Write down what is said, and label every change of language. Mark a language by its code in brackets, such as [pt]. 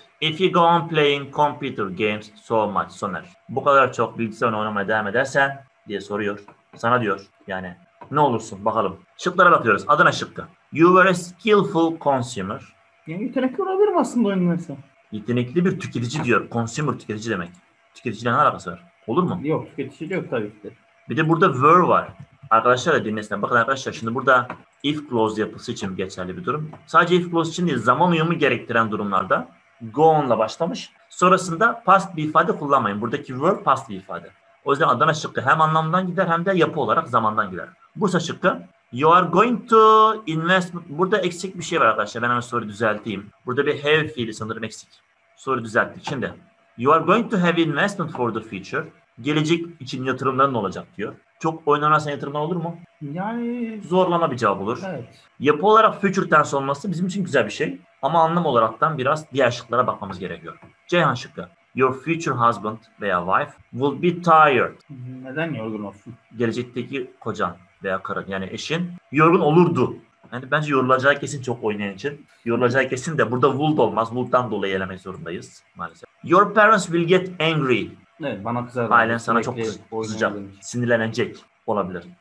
[en] If you go on playing computer games so much, Soner. [tr] Bu kadar çok bilgisayar oynamaya devam edersen diye soruyor. Sana diyor. Yani ne olursun bakalım. Şıklara bakıyoruz. Adana şıkkı. [en] You were a skillful consumer. [tr] Yani yetenekli olabilirim aslında oynanırsa. Yetenekli bir tüketici diyor. Consumer tüketici demek. Tüketiciyle ne alakası var? Olur mu? Yok tüketici yok tabii ki. Bir de burada were var. Arkadaşlar da dinlesinler. Bakın arkadaşlar şimdi burada if clause yapısı için geçerli bir durum. Sadece if clause için değil zaman uyumu gerektiren durumlarda go on'la başlamış. Sonrasında past bir ifade kullanmayın. Buradaki were past bir ifade. O yüzden Adana şıkkı hem anlamdan gider hem de yapı olarak zamandan gider. Bursa şıkkı. [en] You are going to invest. [tr] Burada eksik bir şey var arkadaşlar. Ben hemen soruyu düzelteyim. Burada bir have fiili sanırım eksik. Soru düzelttik. Şimdi. [en] You are going to have investment for the future. [tr] Gelecek için yatırımların olacak diyor. Çok oynanırsan yatırımlar olur mu? Yani zorlama bir cevap olur. Evet. Yapı olarak future tense olması bizim için güzel bir şey. Ama anlam olaraktan biraz diğer şıklara bakmamız gerekiyor. Ceyhan şıkkı. [en] Your future husband veya wife will be tired. [tr] Neden yorgun olsun? Gelecekteki kocan veya karın yani eşin yorgun olurdu. Yani bence yorulacağı kesin çok oynayan için. Yorulacağı kesin de burada would olmaz. Would'dan dolayı elemek zorundayız maalesef. [en] Your parents will get angry. [tr] Evet bana kızar. Ailen sana çok kızacak. Sinirlenecek olabilir.